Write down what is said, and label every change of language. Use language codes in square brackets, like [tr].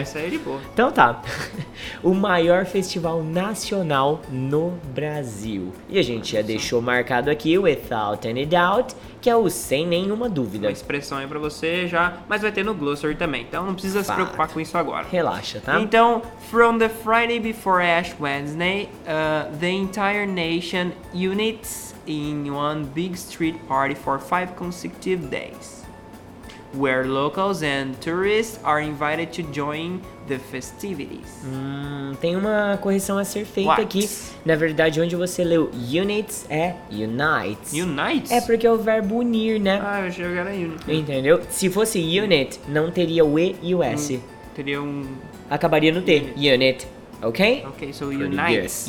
[pt] Essa aí é de boa. Então tá. O maior festival nacional no Brasil. E a gente já deixou marcado aqui, [en] without any doubt, [pt] que é o sem nenhuma dúvida. Uma expressão aí pra você já, mas vai ter no glossary também. Então não precisa se preocupar com isso agora. Relaxa, tá? [en] Então, from the Friday before Ash Wednesday, the entire nation units in one big street party for 5 consecutive days, where locals and tourists are invited to join the festivities. [pt] Tem uma correção a ser feita [en] what? [pt] Aqui. Na verdade, onde você leu units é unites. Unites? É porque é o verbo unir, né? Ah, eu achei que era unit. Entendeu? Se fosse unit, não teria o E e o S. Teria um... Acabaria no T. Unit. Ok? [en] Ok, so unites.